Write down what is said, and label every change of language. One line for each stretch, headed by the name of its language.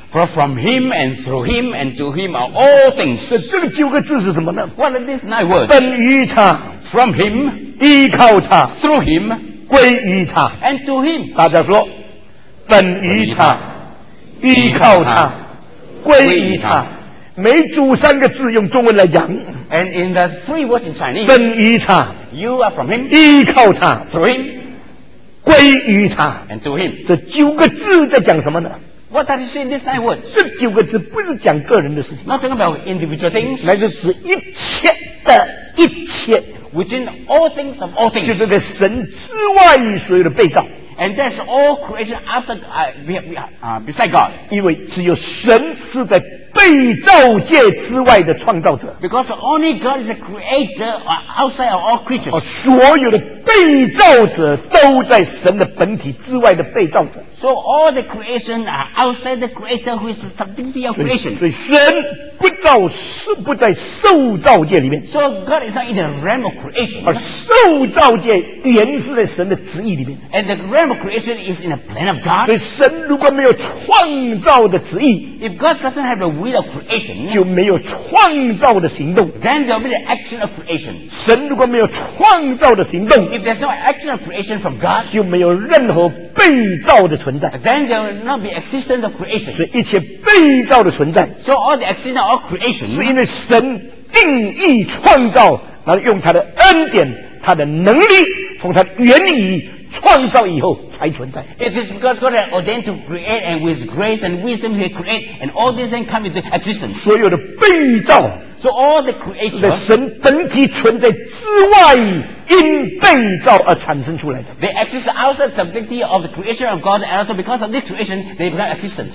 English: For from him and through him and to him are all things.
Chinese: 这个九个字是什么呢
English: ？What are these 9 words?
Chinese: 本于他
English: ，from him，
Chinese: 依靠他
English: ，through him，
Chinese: 归于他
English: ，and to him。
Chinese: 大家说，本于他，依靠他。归于他，每组三个字用中文来讲。
English: And in the 3 words in Chinese.
Chinese: 本于他。
English: You are from him.
Chinese: 依靠他。
English: Through him.
Chinese: 归于他。
English: And to him.
Chinese: 这九个字在讲什么呢？
English: What does he say in this 9 words?
Chinese: 这九个字不是讲个人的事情。
English: Not talking about individual things.
Chinese: 乃是指一切的一切。
English: Within all things of all things.
Chinese: 就是在神之外所有的被造。
English: And that's all created after beside God.
Chinese: 因为只有神是在被造界之外的创造者。
English: Because only God is a creator outside of all creatures.
Chinese: 所有的被造者都在神的本体之外的被造者。
English: So all the creation are outside the creator who is the subjectivity of creation.
Chinese: 所以神不造是不在受造界里面。
English: So God is not in the realm of creation.
Chinese: 而受造界原是在神的旨意里面。
English: And the realm of creation is in the plan of God.
Chinese: 所以神如果没有创造的旨意，
English: If God doesn't have the will of creation,
Chinese: 就没有创造的行动。
English: Then there will be the action of creation.
Chinese: 神如果没有创造的行动，
English: If there's no action of creation from God,
Chinese: 就没有任何被造的存在。
English: Then there will not be existence of creation.
Chinese: 所以一切被造的存在，
English: So all the existence of creation,
Chinese: 是因为神定义创造，然后用他的恩典、他的能力，从他的原意创造以后才存在。
English: It is because God has ordained to create, and with grace and wisdom He created, and all these things come into existence.
Chinese: 所有的被造，
English: So all the creation,
Chinese: 是在神本体存在之外，因被造而产生出来的。
English: They exist outside subjectivity of the creation of God, and also because of this creation, they become existence.